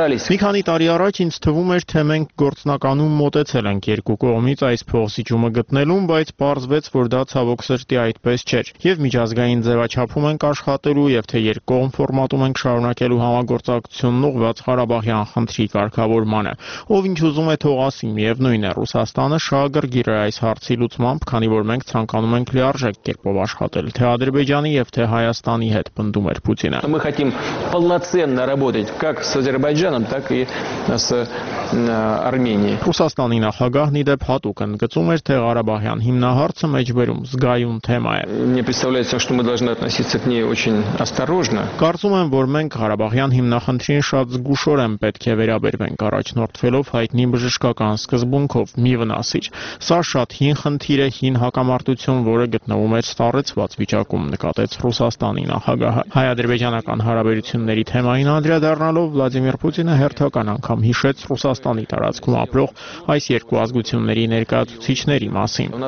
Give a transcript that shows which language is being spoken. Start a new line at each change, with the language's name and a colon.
Armenian: Մի քանի տարի առաջ ինձ թվում էր, թե մենք գործնականում մոտեցել ենք երկու կողմից այս փողզիջումը գտնելուն, բայց պարզվեց, որ դա ցավոք սրտի այդպես չէր։ Եվ միջազգային ձևաչափում ենք աշխատելու, և թե երկկողմ ֆորմատում ենք շարունակելու համագործակցությունն ուղված Ղարաբաղյան խնդրի կարգավորմանը։ Ով ինչ ուզում է թող ասի, միևնույն է, Ռուսաստանը շահագրգիր է այս հարցի լուծմամբ, քանի որ մենք ցանկանում ենք լիարժեք կերպով աշխատել թե Ադրբեջանի և թե Հայաստանի հետ, պնդում էր Պուտինը։
Russian: Мы хотим полноценно работать как с Азербайджаном, так и с Арменией։
Armenian: Ռուսաստանի նախագահ դեպ հատուկ ընդգծում էր, թե Ղարաբաղյան հիմնահարցը մեջբերում զգայուն թեմա է։
Russian: Мне представляется, что мы должны относиться к ней очень осторожно։
Armenian: Կարծում եմ, որ մենք Ղարաբաղյան հիմնախնդրին շատ զգուշոր են պետք է վերաբերվենք, առաջնորդվելով հայտնի բժշկական սկզբունքով՝ մի վնասիր։ Սա շատ հին խնդիր է, հին հակամարտություն, որը գտնվում է ստառեցված վիճակում, նկատեց Ռուսաստանի նախագահը։ Հայ-ադրբեջանական հարաբերությունների թեմային անդրադառնալով Վլադիմիր Պուտինը հերթական անգամ հիշեց Ռուսաստանի տարածքում ապրող այս երկու ազգությունների ներկայացուցիչների մասին։